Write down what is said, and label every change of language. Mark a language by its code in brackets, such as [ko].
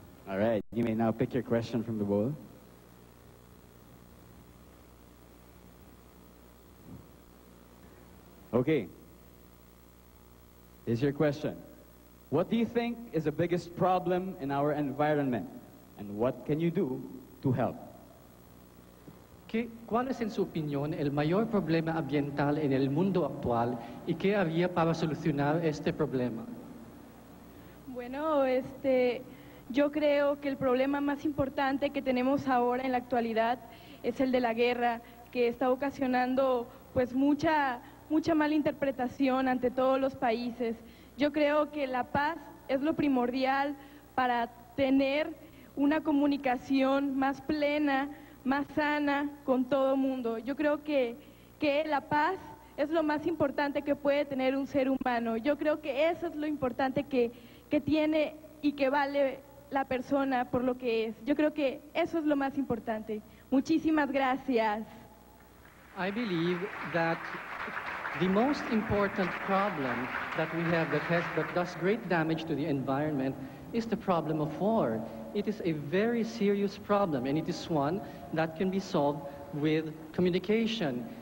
[en] All right, you may now pick your question from the bowl. Okay, here's your question. What do you think is the biggest problem in our environment? And what can you do to help? [es] ¿Cuál es, en su opinión, el mayor problema ambiental en el mundo actual y qué haría para solucionar este problema? Bueno, yo creo que el problema más importante que tenemos ahora en la actualidad es el de la guerra, que está ocasionando pues mucha mala interpretación ante todos los países. Yo creo que la paz es lo primordial para tener una comunicación más plena, más sana con todo mundo. Yo creo que la paz es lo más importante que puede tener un ser humano. Yo creo que eso es lo importante que tiene y que vale la persona por lo que es. Yo creo que eso es lo más importante. Muchísimas gracias. [en] I believe that the most important problem that we have that does great damage to the environment is the problem of war. It is a very serious problem, and it is one that can be solved with communication.